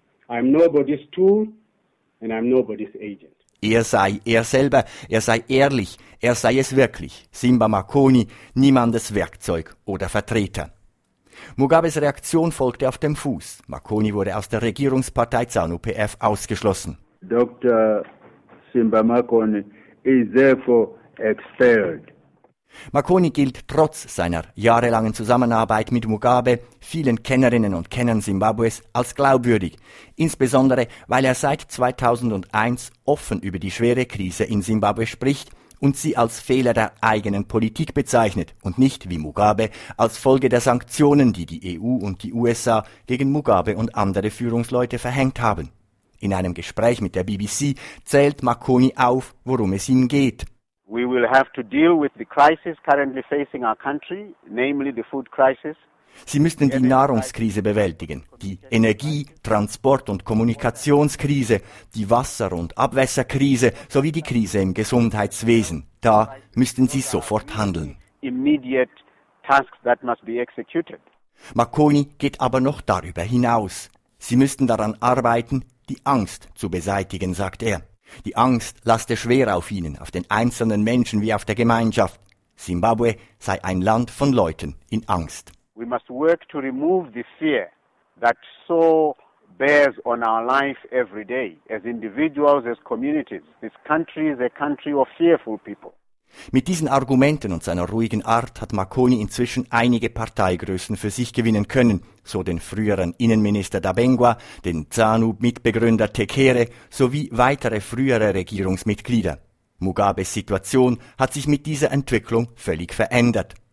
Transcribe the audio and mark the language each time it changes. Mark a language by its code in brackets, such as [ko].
[en] I am nobody's tool and I am nobody's agent. [de] Er sei er selber, er sei ehrlich, er sei es wirklich, Simba Makoni, niemandes Werkzeug oder Vertreter. Mugabes Reaktion folgte auf dem Fuß. Makoni wurde aus der Regierungspartei ZANU-PF ausgeschlossen. [en] Dr. Simba Makoni is therefore expelled. [de] Makoni gilt trotz seiner jahrelangen Zusammenarbeit mit Mugabe, vielen Kennerinnen und Kennern Simbabwes, als glaubwürdig, insbesondere weil er seit 2001 offen über die schwere Krise in Simbabwe spricht und sie als Fehler der eigenen Politik bezeichnet und nicht, wie Mugabe, als Folge der Sanktionen, die die EU und die USA gegen Mugabe und andere Führungsleute verhängt haben. In einem Gespräch mit der BBC zählt Makoni auf, worum es ihm geht. [en] We will have to deal with the crisis currently facing our country, namely the food crisis. [de] Sie müssten die Nahrungskrise bewältigen, die Energie-, Transport- und Kommunikationskrise, die Wasser- und Abwässerkrise sowie die Krise im Gesundheitswesen. Da müssten Sie sofort handeln. [en] Immediate tasks that must be executed. [de] Makoni geht aber noch darüber hinaus. Sie müssten daran arbeiten, die Angst zu beseitigen, sagt er. Die Angst laste schwer auf ihnen, auf den einzelnen Menschen wie auf der Gemeinschaft. Simbabwe sei ein Land von Leuten in Angst. [en] We must work to remove the fear that so bears on our life every day, as individuals, as communities. This country is a country of fearful people. [de] Mit diesen Argumenten und seiner ruhigen Art hat Makoni inzwischen einige Parteigrößen für sich gewinnen können, so den früheren Innenminister Dabengwa, den ZANU-Mitbegründer Tekere sowie weitere frühere Regierungsmitglieder. Mugabes Situation hat sich mit dieser Entwicklung völlig verändert.